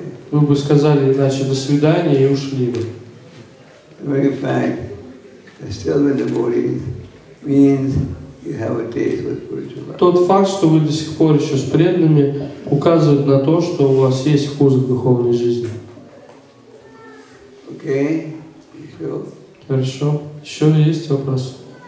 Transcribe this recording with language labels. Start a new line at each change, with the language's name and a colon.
Russian: Вы бы сказали, иначе, до свидания, и ушли бы.
English: Very fine. They're still with the bodies. Means you have a taste for spiritual life.
Russian: Тот факт, что вы до сих пор еще с преданными, указывает на то, что у вас есть вкус к духовной жизни. Окей. Хорошо. Еще есть вопрос?